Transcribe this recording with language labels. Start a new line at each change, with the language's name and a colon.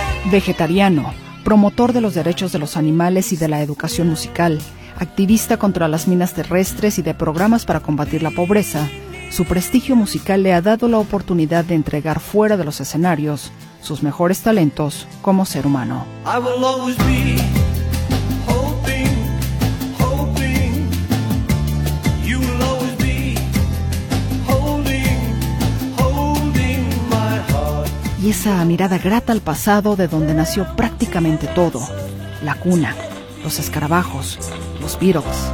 Spanish: Vegetariano, promotor de los derechos de los animales y de la educación musical, activista contra las minas terrestres y de programas para combatir la pobreza, su prestigio musical le ha dado la oportunidad de entregar fuera de los escenarios sus mejores talentos como ser humano.
English: I will always be hoping, hoping. You will always be holding, holding my heart.
Spanish: Y esa mirada grata al pasado de donde nació prácticamente todo. La cuna, los escarabajos, los Beatles.